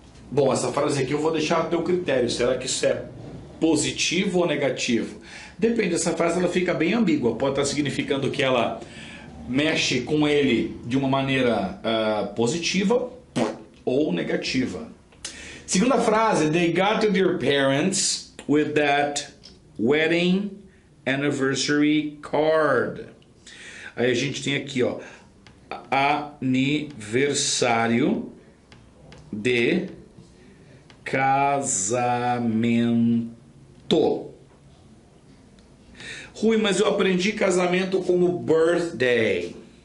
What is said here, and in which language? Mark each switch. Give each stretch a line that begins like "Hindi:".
Portuguese: Bom, essa frase aqui eu vou deixar a teu critério, será que isso é positivo ou negativo? Depende, essa frase ela fica bem ambígua, pode estar significando que ela mexe com ele de uma maneira positiva ou negativa. Segunda frase,
English: they got to their parents with that wedding anniversary card.
Portuguese: Aí a gente tem aqui, ó, aniversário de casamento. Rui, mas eu aprendi casamento como birthday.